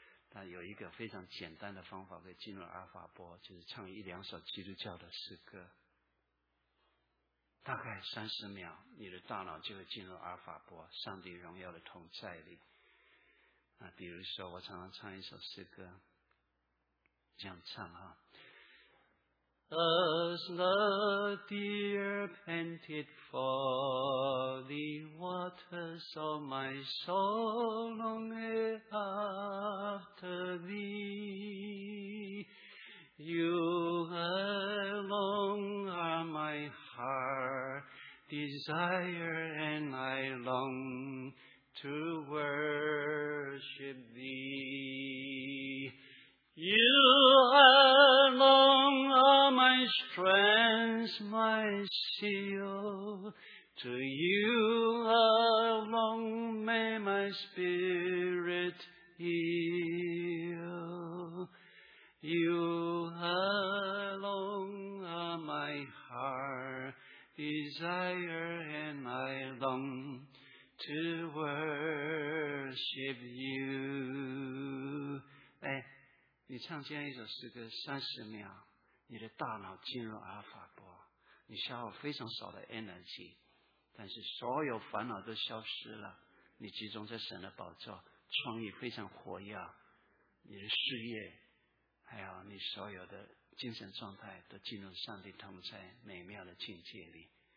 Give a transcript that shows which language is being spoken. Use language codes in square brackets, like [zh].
[zh] 但有一个非常简单的方法可以进入阿法波，就是唱一两首基督教的诗歌，大概30秒，你的大脑就会进入阿法波，上帝荣耀的同在里。啊，比如说我常常唱一首诗歌，这样唱啊。 [en] As the deer panted for the waters, so my soul longed after thee. You alone are my heart desire, and I long to worship thee. You alone are my strength, my shield. To you alone may my spirit yield. You alone are my heart desire, and I long to worship you. [zh] 哎，你唱这样一首诗歌30秒，你的大脑进入阿法波，你消耗非常少的 energy， 但是所有烦恼都消失了，你集中在神的宝座，创意非常活跃，你的事业还有你所有的精神状态都进入上帝同在美妙的境界里。